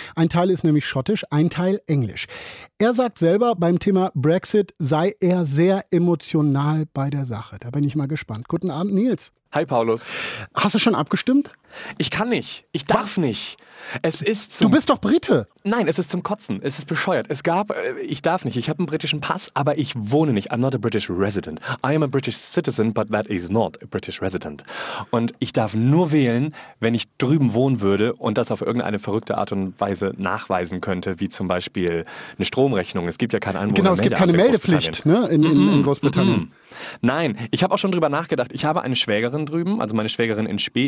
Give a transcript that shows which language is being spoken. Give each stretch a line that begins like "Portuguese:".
German: Ein Teil ist nämlich schottisch, ein Teil englisch. Er sagt selber, beim Thema Brexit sei er sehr emotional bei der Sache. Da bin ich mal gespannt. Guten Abend, Nils. Hi, Paulus. Hast du schon abgestimmt? Ich kann nicht. Ich darf nicht. Es ist zum... Du bist doch Brite. Nein, es ist zum Kotzen. Es ist bescheuert. Ich darf nicht. Ich habe einen britischen Pass, aber ich wohne nicht.
English: I'm not a British resident. I am a British citizen, but that is not a British resident.
German: Und ich darf nur wählen, wenn ich drüben wohnen würde und das auf irgendeine verrückte Art und Weise nachweisen könnte, wie zum Beispiel eine Stromrechnung. Es gibt ja keine Einwohner. Genau, es gibt keine Meldepflicht in Großbritannien. Mm-mm. Nein, ich habe auch schon drüber nachgedacht. Ich habe eine Schwägerin drüben, also meine Schwägerin in Spee.